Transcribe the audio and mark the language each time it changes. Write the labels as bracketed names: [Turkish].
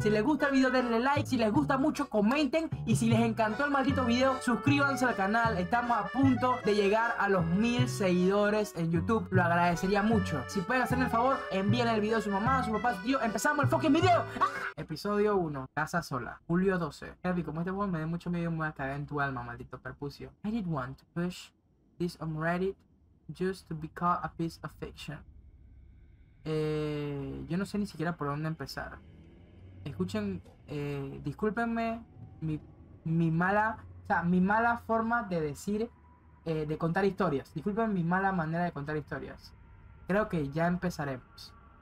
[Spanish] Si les gusta el video denle like. Si les gusta mucho comenten. Y si les encantó el maldito video, suscríbanse al canal. Estamos a punto de llegar a los 1000 seguidores en YouTube. Lo agradecería mucho. Si pueden hacerme el favor, envíen el video a su mamá, a su papá, a su tío. Empezamos el fucking video. Episodio 1, casa sola, julio 12. Javi, como este juego me da mucho miedo, me voy a caer en tu alma, maldito perpucio. [English] I didn't want to push this on Reddit just to be caught a piece of fiction. [Spanish] Yo no sé ni siquiera por dónde empezar. Escuchen, discúlpenme mi mala forma de decir, de contar historias. Disculpen mi mala manera de contar historias. Creo que ya empezaremos.